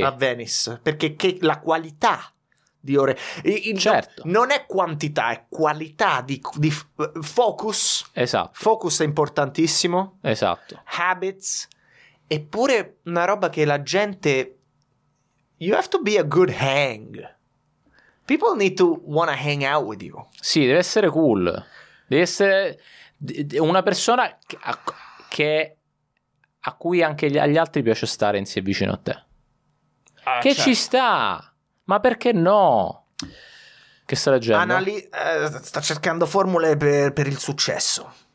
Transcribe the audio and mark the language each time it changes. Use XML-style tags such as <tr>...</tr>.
<it>A Venice. Perché che la qualità di ore. Certo. Non è quantità, è qualità di focus. Esatto. Focus è importantissimo. Esatto.</it> <en>Habits.</en> <it>Eppure una roba che la gente...</it> <en>You have to be a good hang. People need to wanna hang out with you.</en> <it>Sì, deve essere cool. Deve essere... una persona che a cui anche agli altri piace stare insieme vicino a te. Ah, che certo. Ci sta, ma perché no? Che sta leggendo? Sta cercando formule per il successo.</it>